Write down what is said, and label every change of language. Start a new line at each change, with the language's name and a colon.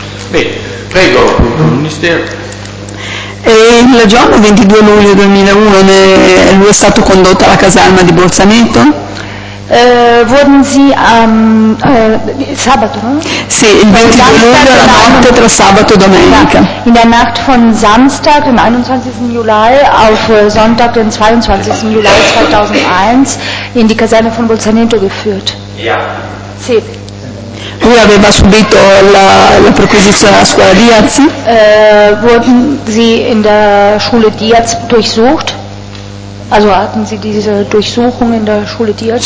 Italian: Bene, prego, Ministero. E il giorno 22 luglio 2001 lui è stato condotto alla caserma di Bolzaneto?
German: Wurden Sie am
Italian: sabato, no? Sì, il 22 luglio, la notte tra sabato e domenica.
German: In der Nacht von Samstag, dem 21. Juli, auf Sonntag, den 22. Juli 2001, in die Kaserne von Bolzaneto geführt. Ja.
Italian: Sì. Lui aveva subito la perquisizione alla scuola Diaz?
German: Wurden Sie in der Schule Diaz durchsucht? Also hatten Sie diese Durchsuchung in der Schule Diaz?